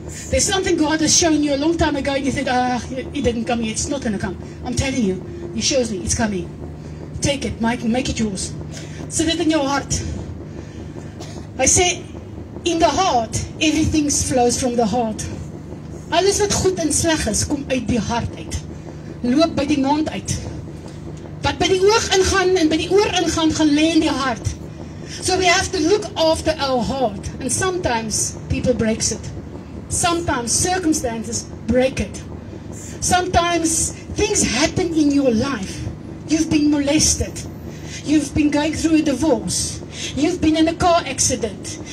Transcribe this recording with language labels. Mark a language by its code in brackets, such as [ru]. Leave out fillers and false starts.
[en] There's something God has shown you a long time ago and you said, it didn't come yet. It's not going to come. I'm telling you. He shows me. It's coming. Take it. Make it yours. Set it in your heart. I say, in the heart, everything flows from the heart. [af] Alles wat goed en sleg is, kom uit die hart uit. Loop by die mond uit. Wat by die oog ingaan en by die oor ingaan, gaan lê in die hart. [en] So we have to look after our heart. And sometimes people breaks it. Sometimes circumstances break it. Sometimes things happen in your life. You've been molested. You've been going through a divorce. You've been in a car accident.